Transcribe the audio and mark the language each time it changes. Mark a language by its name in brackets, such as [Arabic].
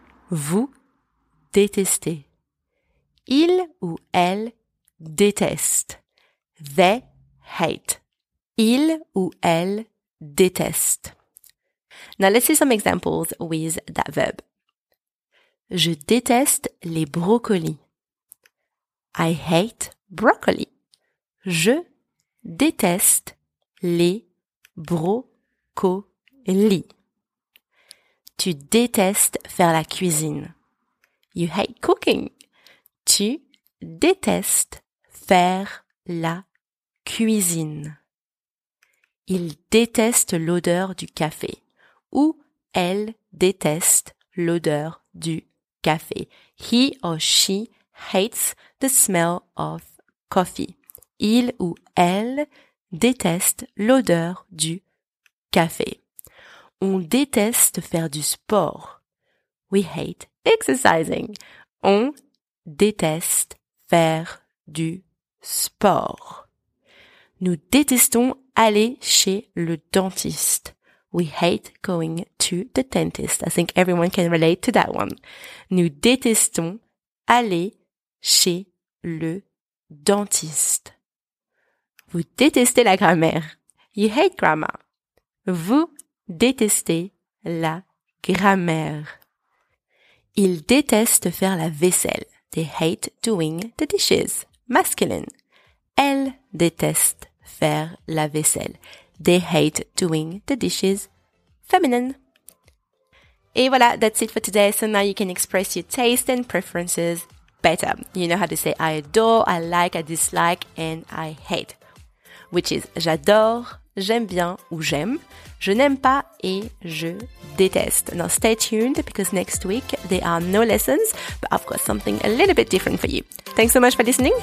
[French] Vous détestez. Il ou elle déteste. [English] They hate. [French] Il ou elle déteste. [English] Now let's see some examples with that verb. [French] Je déteste les brocolis. [English] I hate broccoli. [French] Je déteste les brocolis. Tu détestes faire la cuisine. [English] You hate cooking. [French] Tu détestes faire la cuisine. Il déteste l'odeur du café. Ou elle déteste l'odeur du café. [English] He or she hates the smell of coffee. [French] Il ou elle déteste l'odeur du café. On déteste faire du sport. [English] We hate exercising. [French] On déteste faire du sport. Nous détestons aller chez le dentiste. [English] We hate going to the dentist. I think everyone can relate to that one. [French] Nous détestons aller chez le dentiste. Vous détestez la grammaire. [English] You hate grammar. [French] Vous détester la grammaire. Ils détestent faire la vaisselle. [English] They hate doing the dishes. Masculine. [French] Elle déteste faire la vaisselle. [English] They hate doing the dishes. Feminine. [French] Et voilà, [English] that's it for today. So now you can express your taste and preferences better. You know how to say I adore, I like, I dislike, and I hate. [French] Which is j'adore, j'aime bien ou j'aime. Je n'aime pas et je déteste. [English] Now stay tuned because next week there are no lessons, but I've got something a little bit different for you. Thanks so much for listening.